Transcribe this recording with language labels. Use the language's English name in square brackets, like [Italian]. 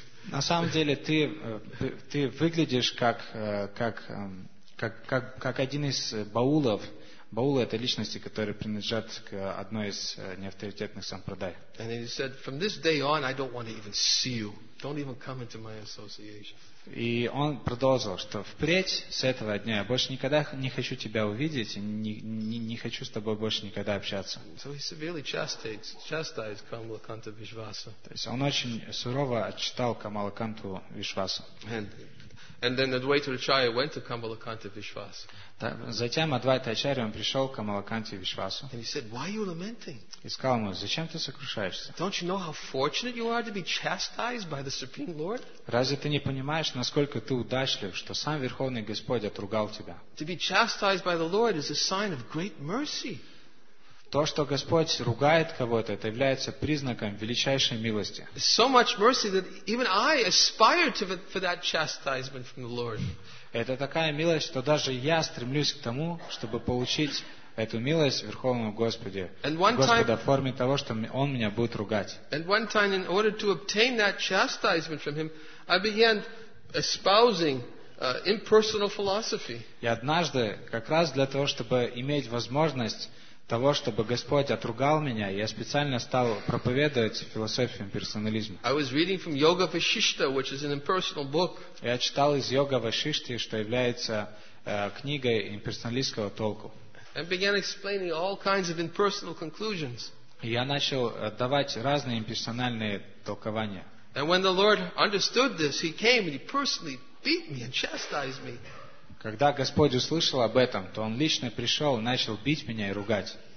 [Russian] На самом деле ты выглядишь как один из баулов. Баулы — это личности, которые принадлежат к одной из неавторитетных сампрадай. [English] And he said, from this day on, I don't want to even see you. Don't even come into my association. [Russian] И он продолжил, что впредь с этого дня я больше никогда не хочу тебя увидеть, не хочу с тобой больше никогда общаться. [English] So he severely chastised Kamalakanta Vishvasa. [Russian] То есть он очень сурово отчитал Камалаканту Вишвасу. [English] And then Advaita Acharya went to Kamalakanta Vishvasa. [Russian] Затем Адвайта Ачарья пришел к Камалаканте Вишвасу. [English] And he said, "Why are you lamenting?" [Russian] И сказал ему, зачем ты сокрушаешься? [English] Don't you know how fortunate you are to be chastised by the Supreme Lord? [Russian] Разве ты не понимаешь, насколько ты удачлив, что сам Верховный Господь отругал тебя? [English] To be chastised by the Lord is a sign of great mercy. [Russian] То, что Господь ругает кого-то, это является признаком величайшей милости. [English] So much mercy that even I aspire to for that chastisement from the Lord. [Russian] Это такая милость, что даже я стремлюсь к тому, чтобы получить эту милость Верховного Господи, Господа, в форме того, что Он меня будет ругать. [English] And one time, in order to obtain that chastisement from Him, I began espousing impersonal philosophy. [Russian] И однажды, как раз для того, чтобы иметь возможность того, чтобы Господь отругал меня, я специально стал проповедовать философию имперсонализма. [English] I was reading from Yoga Vasishtha, which is an impersonal book. [Russian] Я читал из Йога Вашишти, что является книгой имперсоналистского толку. [English] And began explaining all kinds of impersonal conclusions. [Russian] Я начал давать разные имперсональные толкования. [English] And when the Lord understood this, he came and he personally beat me and chastised me. [Russian] Когда Господь услышал об этом, то Он лично пришел, начал бить меня и ругать.